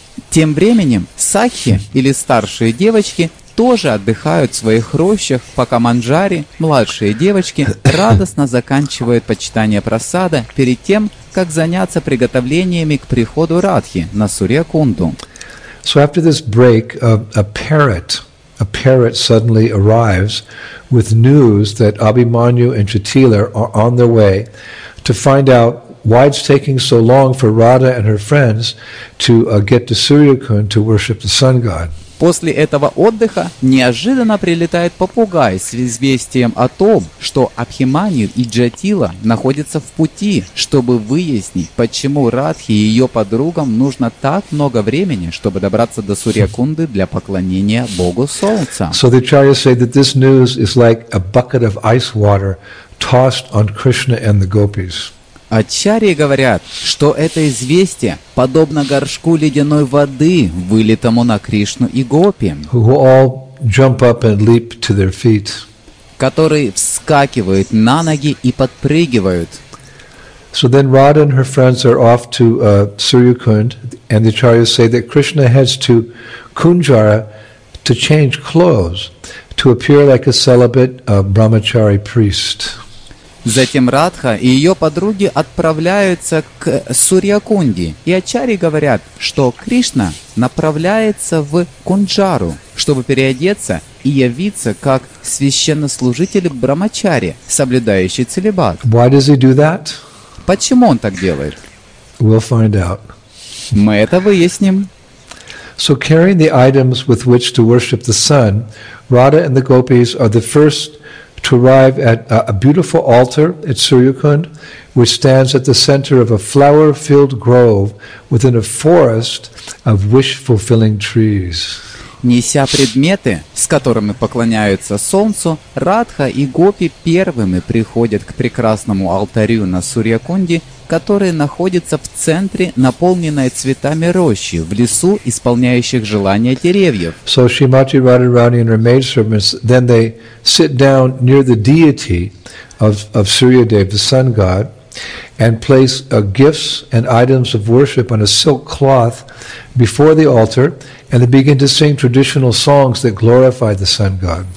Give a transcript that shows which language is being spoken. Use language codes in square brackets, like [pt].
[ru] Тем временем сахи или старшие девочки тоже отдыхают в своих рощах, пока манджари, младшие девочки, радостно заканчивают почитание прасада перед тем, как заняться приготовлениями к приходу Радхи на Сурьякунду. [en] So after this break, a parrot suddenly arrives with news that Abhimanyu and Chitila are on their way to find out why it's taking so long for Radha and her friends to get to Suryakund to worship the sun god. [ru] После этого отдыха неожиданно прилетает попугай с известием о том, что Абхиманию и Джатила находятся в пути, чтобы выяснить, почему Радхе и ее подругам нужно так много времени, чтобы добраться до Сурьякунды для поклонения Богу Солнца. [en] So the Acharyas say that this news is like a bucket of ice water tossed on Krishna and the gopis. [ru] Ачарьи говорят, что это известие подобно горшку ледяной воды, вылитому на Кришну и Гопи, [en] who all jump up and leap to their feet, [ru] которые вскакивают на ноги и подпрыгивают. [en] So then Radha and her friends are off to Suryakund, and the Acharyas say that Krishna heads to Kunjara to change clothes, to appear like a celibate brahmachari priest. [ru] Затем Радха и ее подруги отправляются к Сурьякунде, и Ачарьи говорят, что Кришна направляется в Кунджару, чтобы переодеться и явиться как священнослужитель брамачари, соблюдающий целибат. [en] Why does he do that? [ru] Почему он так делает? [en] We'll find out. [ru] Мы это выясним. [en] So carrying the items with which to worship the sun, Radha and the gopis are the first to arrive at a beautiful altar at Suryakund, which stands at the center of a flower-filled grove within a forest of wish-fulfilling trees. [ru] Неся предметы, с которыми поклоняются солнцу, Радха и Гопи первыми приходят к прекрасному алтарю на Сурьякунде, который находится в центре, наполненной цветами рощи, в лесу, исполняющих желания деревьев. [en] So Srimati Radharani and her maidservants, then they sit down near the deity of Suryadev, the sun god, and place gifts and items of worship on a silk cloth before the altar, and they begin to sing traditional songs that glorify the sun god.